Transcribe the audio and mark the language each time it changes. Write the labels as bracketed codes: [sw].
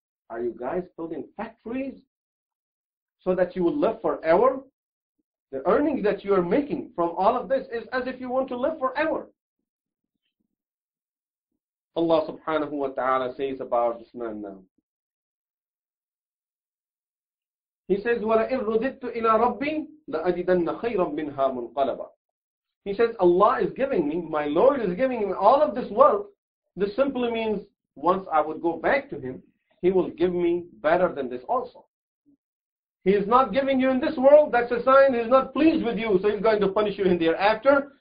[en] Are you guys building factories so that you will live forever? The earnings that you are making from all of this is as if you want to live forever. Allah subhanahu wa ta'ala says about this man now. He says, [ar] وَلَئِنْ رُدِدْتُ إِلَىٰ رَبِّي لَأَجِدَنَّ خَيْرًا مِّنْهَا مُنْقَلَبًا. [en] He says, Allah is giving me, my Lord is giving me all of this wealth. This simply means once I would go back to Him, He will give me better than this also. He is not giving you in this world, that's a sign He's not pleased with you, so He's going to punish you in the hereafter.